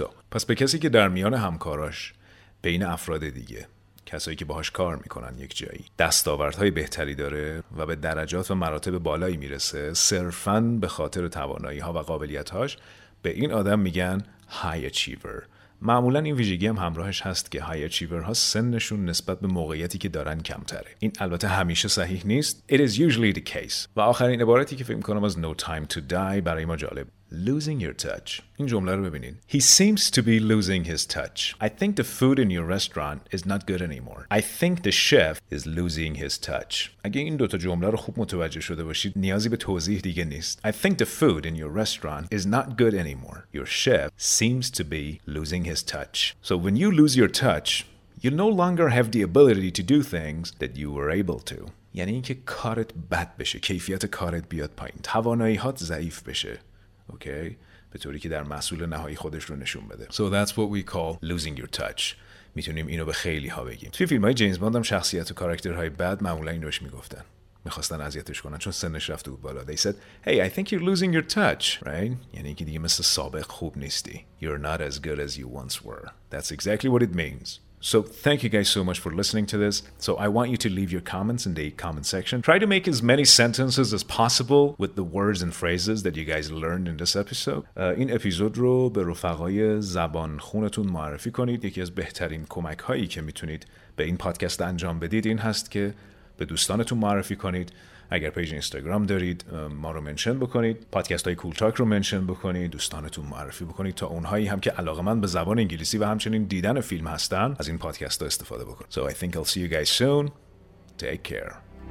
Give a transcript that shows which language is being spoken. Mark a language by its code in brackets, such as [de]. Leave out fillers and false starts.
[fa] So پس به کسی که در میان همکاراش بین افراد دیگه کسایی که باهاش کار میکنن یک جایی دستاوردهای بهتری داره و به درجات و مراتب بالایی میرسه صرفاً به خاطر توانایی ها و قابلیت هاش به این آدم میگن high achiever. معمولاً این ویژگی هم همراهش هست که high achiever ها سنشون نسبت به موقعیتی که دارن کمتره. این البته همیشه صحیح نیست. [en] It is usually the case. [fa] و آخرین عبارتی که فکر میکنم از no time to die برای ما جالب. [en] Losing your touch. [fa] این جمله رو ببینین. [en] He seems to be losing his touch. I think the food in your restaurant is not good anymore. I think the chef is losing his touch. [fa] اگه این دوتا جمله رو خوب متوجه شده باشید نیازی به توضیح دیگه نیست. [en] I think the food in your restaurant is not good anymore. Your chef seems to be losing his touch. So when you lose your touch, you no longer have the ability to do things that you were able to. [fa] یعنی اینکه کارت بد بشه، کیفیت کارت بیاد پایین، توانایی‌هات ضعیف بشه. Okay, به طوری که در محصول نهایی خودش رو نشون بده. [en] So that's what we call losing your touch. [fa] میتونیم اینو به خیلی ها بگیم. توی فیلم های جیمز باند هم شخصیت و کاراکترهای بد معمولا این روش میگفتن. میخواستن اذیتش کنن چون سنش رفته بود بالا. [en] They said, hey, I think you're losing your touch, right? [fa] یعنی که دیگه مثل سابق خوب نیستی. [en] You're not as good as you once were. That's exactly what it means. So thank you guys so much for listening to this. So I want you to leave your comments in the comment section. Try to make as many sentences as possible with the words and phrases that you guys learned in this episode. [fa] این اپیزود رو به رفقای زبان خونتون معرفی کنید. یکی از بهترین کمک هایی که میتونید به این پادکست انجام بدید این هست که به دوستانتون معرفی کنید. اگر پیج اینستاگرام دارید ما رو منشن بکنید، پادکست های کول تاک رو منشن بکنید، دوستانتون معرفی بکنید تا اونهایی هم که علاقه‌مند به زبان انگلیسی و همچنین دیدن فیلم هستن از این پادکست ها استفاده بکنید. [en] So I think I'll see you guys soon. Take care.